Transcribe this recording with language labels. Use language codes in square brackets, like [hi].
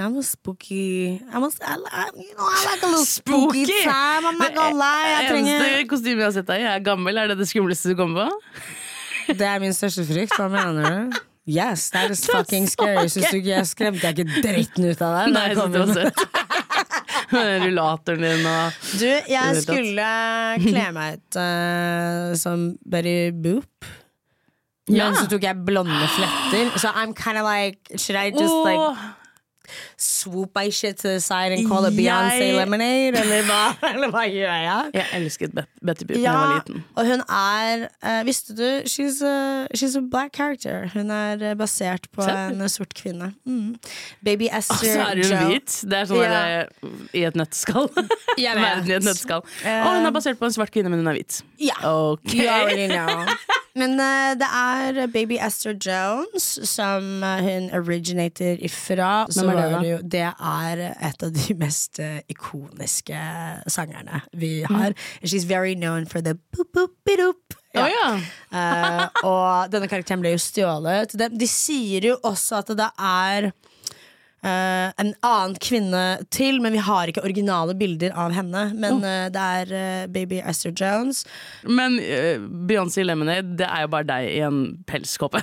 [en] I'm a spooky I like a little spooky time. I'm not gonna lie. [no] Det eneste kostymen jeg har sett deg i, jeg er gammel. Er det det skummeleste du kommer på? Det er min største frykt, hva mener du? [en] Yes, that is fucking scary. [no] Synes du ikke jeg skremte deg ikke dritten ut av deg? Nei, jeg synes det var søtt. Rullatoren din og... Du, jeg skulle kle meg ut som Betty Boop. Ja. Men så tok jeg blonde fletter. [en] Så I'm kind of like, should I just swoop my shit to the side and call it Beyonce Lemonade? [no] Eller hva gjør jeg? Jeg elsket Betty Boop når jeg var liten. Og hun er, visste du, [en] she's a black character. [no] Hun er basert på en sort kvinne. Baby Esther Joe. Så er hun hvit. Det er sånn at i et nøtteskall. Jeg vet. Verden i et nøtteskall. Og hun er basert på en svart kvinne, men hun er hvit. Ja. Okay. [en] You already know. [no] Men det er Baby Esther Jones, som hun originated ifra. Så var det jo, det er et av de mest ikoniske sangerne vi har. [en] She's very known for the boop boop beedoop. [no] Ja. Oh, ja. Og denne karakteren ble jo stjålet. De sier jo også at det er en annen kvinne til, men vi har ikke originale bilder av henne. Men det er Baby Esther Jones. Men Beyoncé Lemonade, det er jo bare deg i en pelskåpe.